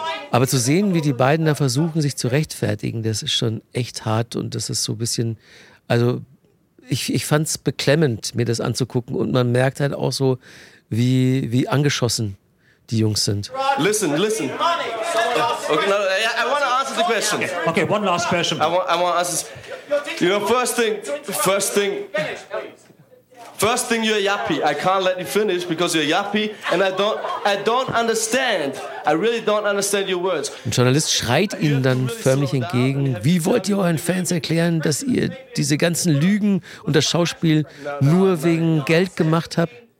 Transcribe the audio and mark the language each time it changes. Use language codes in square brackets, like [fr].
[de] Aber zu sehen, wie die beiden da versuchen, sich zu rechtfertigen, das ist schon echt hart und das ist so ein bisschen, also ich fand es beklemmend, mir das anzugucken, und man merkt halt auch so, wie angeschossen die Jungs sind. [en] Listen. Okay, no, I want to answer the question. Okay, one last question. I want to ask this. You know, first thing, you're yappy. I can't let you finish because you're yappy, and I don't understand. I really don't understand your words. [de] Ein Journalist schreit ihnen dann förmlich entgegen: Wie wollt ihr euren Fans erklären, dass ihr diese ganzen Lügen und das Schauspiel nur wegen Geld gemacht habt?